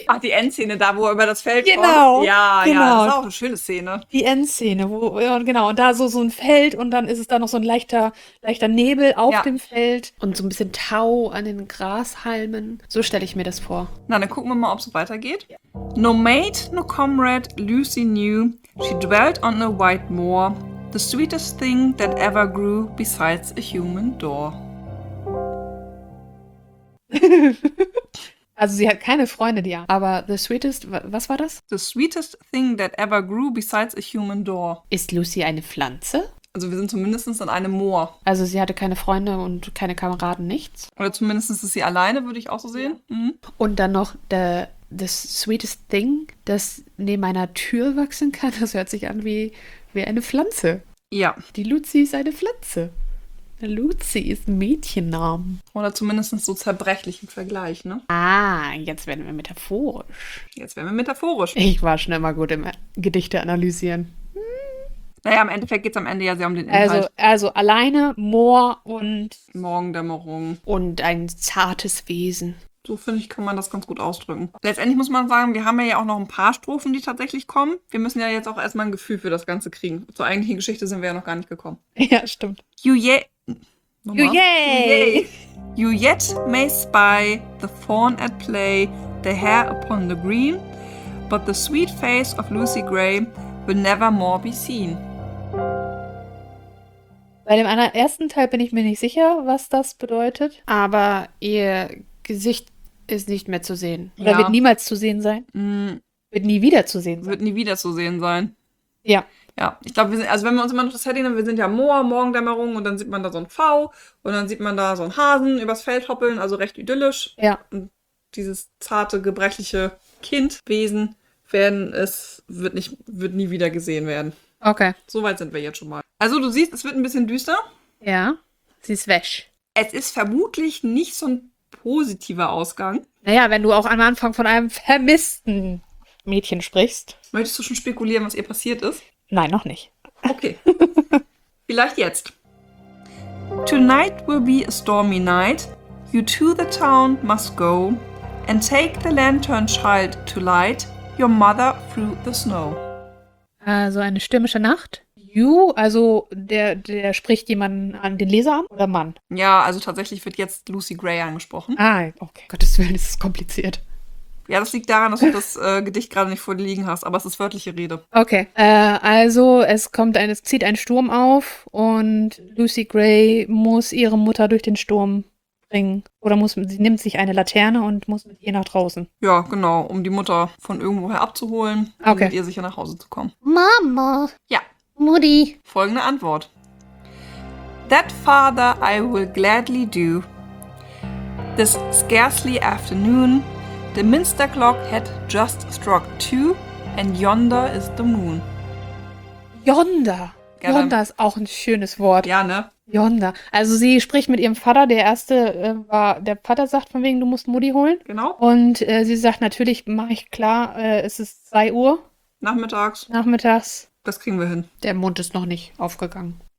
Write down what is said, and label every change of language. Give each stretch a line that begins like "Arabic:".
German: Ach, die Endszene da, wo er über das Feld genau, kommt. Ja, genau. Ja, das ist auch eine schöne Szene. Die Endszene, wo, ja, genau, und da so ein Feld und dann ist es da noch so ein leichter Nebel auf dem Feld und so ein bisschen Tau an den Grashalmen. So stelle ich mir das vor. Na, dann gucken wir mal, ob es weitergeht. Ja.
English: No mate, no comrade, Lucy knew, she dwelt on a white moor, the sweetest thing that ever grew besides a human door.
German: Also sie hat keine Freunde, die ja. Aber
English: the sweetest,
German: was war das?
English: The sweetest thing that ever grew besides a human door.
German: Ist Lucy eine Pflanze? Also wir sind zumindest an einem Moor. Also sie hatte keine Freunde und keine Kameraden, nichts? Oder zumindest ist sie alleine, würde ich auch so sehen. Mhm. Und dann noch
English: the sweetest thing,
German: das neben einer Tür wachsen kann. Das hört sich an wie eine Pflanze. Ja. Die Lucy ist eine Pflanze. Lucy ist ein Mädchennamen. Oder zumindest so zerbrechlich im Vergleich, ne? Ah, jetzt werden wir metaphorisch. Jetzt werden wir metaphorisch. Ich war schon immer gut im Gedichte analysieren. Naja, im Endeffekt geht es am Ende ja sehr um den Inhalt. Also alleine Moor und... Morgendämmerung. Und ein zartes Wesen. So, finde ich, kann man das ganz gut ausdrücken. Letztendlich muss man sagen, wir haben ja auch noch ein paar Strophen, die tatsächlich kommen. Wir müssen ja jetzt auch erstmal ein Gefühl für das Ganze kriegen. Zur eigentlichen Geschichte sind wir ja noch gar nicht gekommen. Ja, stimmt.
English: You yet may spy the fawn at play, the hare upon the green, but the sweet face of Lucy Gray will never more be seen.
German: Bei dem ersten Teil bin ich mir nicht sicher, was das bedeutet, aber ihr Gesicht ist nicht mehr zu sehen. Oder wird niemals zu sehen sein? Wird nie wiederzusehen Wird sein. nie wiederzusehen sein. Ja. Ja, ich glaube, wir sind, also wenn wir uns immer noch das Setting haben, wir sind ja Moor, Morgendämmerung, und dann sieht man da so ein V und dann sieht man da so einen Hasen übers Feld hoppeln, also recht idyllisch. Ja. Und dieses zarte, gebrechliche Kindwesen werden es, wird nicht, wird nie wieder gesehen werden. Okay. So weit sind wir jetzt schon mal. Also du siehst, es wird ein bisschen düster. Ja, sie ist wäsch. Es ist vermutlich nicht so ein positiver Ausgang. Naja, wenn du auch am Anfang von einem vermissten Mädchen sprichst. Möchtest du schon spekulieren, was ihr passiert ist? Nein, noch nicht. Okay. Vielleicht jetzt.
English: Tonight will be a stormy night. You to the town must go. And take the lantern child to light. Your mother through the snow.
German: Also eine stürmische Nacht.
English: You,
German: also der spricht jemanden an, den Leser an oder Mann? Ja, also tatsächlich wird jetzt Lucy Gray angesprochen. Ah, okay. Gottes Willen, ist es kompliziert. Ja, das liegt daran, dass du das Gedicht gerade nicht vor dir liegen hast, aber es ist wörtliche Rede. Okay. Also es zieht ein Sturm auf und Lucy Gray muss ihre Mutter durch den Sturm bringen. Oder muss sie nimmt sich eine Laterne und muss mit ihr nach draußen. Ja, genau, um die Mutter von irgendwoher abzuholen, um mit Okay. ihr sicher nach Hause zu kommen. Mama. Ja. Mutti. Folgende Antwort.
English: That father I will gladly do. This scarcely afternoon, the minster clock had just struck two, and yonder is the moon. Yonder. Yonder
German: Gerne. ist auch ein schönes Wort. Ja, ne?
English: Yonder.
German: Also sie spricht mit ihrem Vater. Der erste war, der Vater sagt von wegen, du musst Mutti holen. Genau. Und sie sagt, natürlich mache ich klar, es ist 2 Uhr Nachmittags. nachmittags. Das kriegen wir hin. Der Mund ist noch nicht aufgegangen.